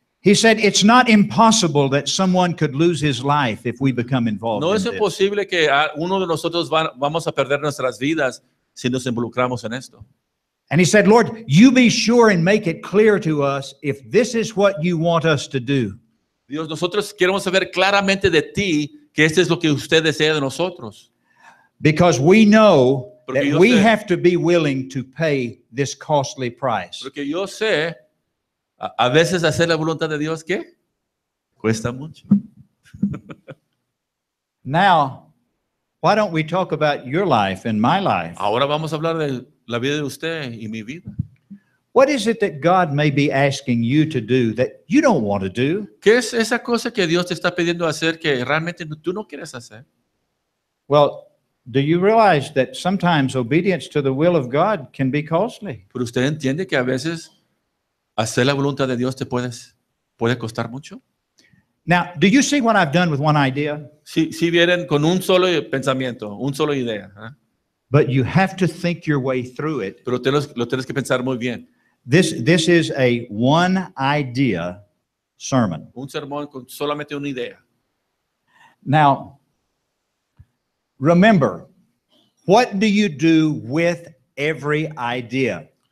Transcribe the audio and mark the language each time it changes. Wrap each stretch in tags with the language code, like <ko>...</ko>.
<en>He said, "It's not impossible that someone could lose his life if we become involved in this."</en> <es>No es imposible que uno de nosotros vamos a perder nuestras vidas si nos involucramos en esto.</es> <en>And he said, "Lord, you be sure and make it clear to us if this is what you want us to do."</en> <es>Dios, nosotros queremos saber claramente de ti que esto es lo que usted desea de nosotros.</es> <en>Because we know that we have to be willing to pay this costly price.</en> <es>Porque yo sé, a veces hacer la voluntad de Dios, ¿qué? Cuesta mucho.</es> <en>Now, why don't we talk about your life and my life?</en> <es>Ahora vamos a hablar de la vida de usted y mi vida.</es> <en>What is it that God may be asking you to do that you don't want to do?</en> <es>¿Qué es esa cosa que Dios te está pidiendo hacer que realmente tú no quieres hacer?</es> <en>Well, do you realize that sometimes obedience to the will of God can be costly?</en> <es>¿Pero usted entiende que a veces hacer la voluntad de Dios te puede costar mucho?</es> <en>Now, do you see what I've done with one idea?</en> <es>Si vienen con un solo pensamiento, un solo idea, ¿eh?</es> <en>But you have to think your way through it.</en> <es>Pero lo tienes que pensar muy bien.</es> <en>This is a one idea sermon.</en> <es>Un sermón con solamente una idea.</es> <en>Now, remember, what do you do with every idea?</en>